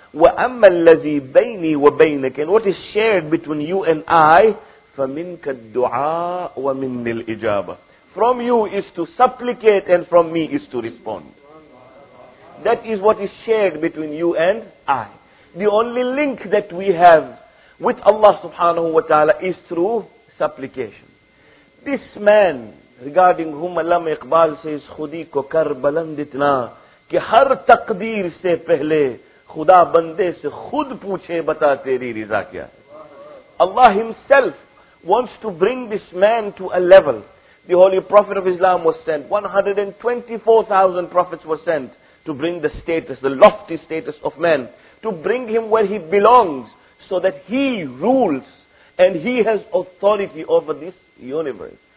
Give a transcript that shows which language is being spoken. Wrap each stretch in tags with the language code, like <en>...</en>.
<ar>وَأَمَّا الَّذِي بَيْنِي وَبَيْنَكَ.</ar> <en>And what is shared between you and I,</en> <ar>فَمِنْكَ الدُّعَاءُ وَمِنِّي الْإِجَابَةُ.</ar> <en>From you is to supplicate and from me is to respond. That is what is shared between you and I. The only link that we have with Allah subhanahu wa ta'ala is through supplication. This man, regarding whom Allama Iqbal says,</en> <ur>خُدِي کو کر بلند اتنا کہ ہر تقدیر سے پہلے خدا بندے سے خود پوچھے بتا تیری رضا کیا ہے.</ur> <en>Allah himself wants to bring this man to a level. The Holy Prophet of Islam was sent. 124,000 prophets were sent to bring the status, the lofty status of man, to bring him where he belongs so that he rules and he has authority over this universe.</en>